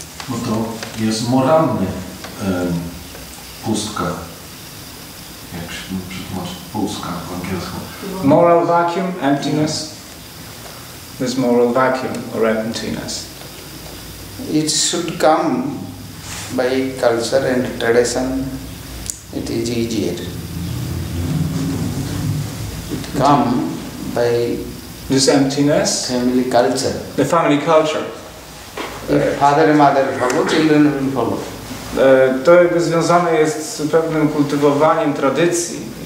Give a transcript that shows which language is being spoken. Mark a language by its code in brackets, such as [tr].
[pl] No to jest moralnie pustka, jak się przetłumaczy, pustka w angielsku. [en] Moral vacuum, emptiness. There's moral vacuum or emptiness. It should come by culture and tradition. It is easier. It come by this emptiness. Family culture. The family culture. If father and mother follow, children will follow. [pl] To jakby związane jest z pewnym kultywowaniem tradycji.